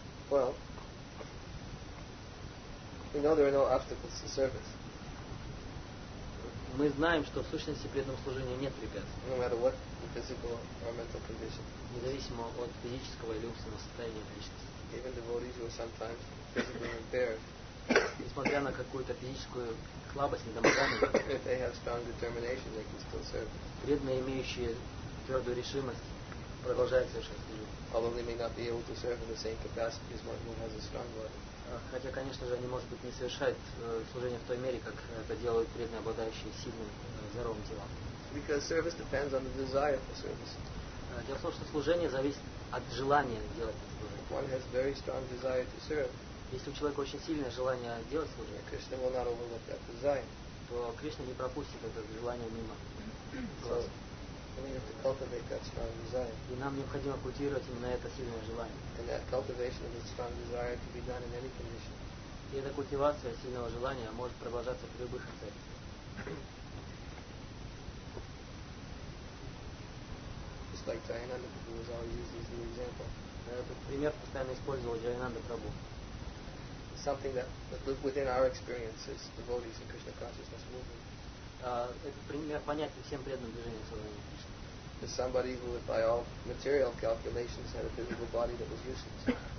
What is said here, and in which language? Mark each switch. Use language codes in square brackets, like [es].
[en] Well, we know there are no obstacles to service. [ru] Мы знаем, что в сущности преданного служения нет препятствий. [en] No matter what the physical or mental condition. [ru] Независимо от физического или умственного состояния личности. [en] Even devotees who are sometimes physically impaired. [ru] Несмотря на какую-то физическую слабость, недомогание. [en] If they have strong determination, they can still serve. [ru] Преданные, имеющие твердую решимость, продолжают совершать служение. [en] Although they may not be able to serve in the same capacity as one who has a strong body. [ru] Хотя, конечно же, они, может быть, не совершают служение в той мере, как это делают преданные, обладающие сильным, здоровым телом. [en] Because service depends on the desire for service. [ru] Дело в том, что служение зависит от желания делать это служение. [en] If one has very strong desire to serve, [ru] если у человека очень сильное желание делать служение, [en] Krishna will not overlook that desire. [ru] То Кришна не пропустит это желание мимо. [en] So, we have to cultivate that strong desire. [ru] И нам необходимо культивировать именно это сильное желание. [en] And that cultivation of this strong desire can be done in any condition. [ru] И эта культивация сильного желания может продолжаться при любых обстоятельствах. [en] Just like Jayananda Prabhu was always used as an example. [ru] Этот пример постоянно использовал Джайананда Прабху. [en] Something that within our experiences, devotees in Krishna consciousness movement. [ru] Это пример понятия всем преданным движениям сознания Кришны. [en] As somebody who would, by all material calculations, had a physical body that was useless.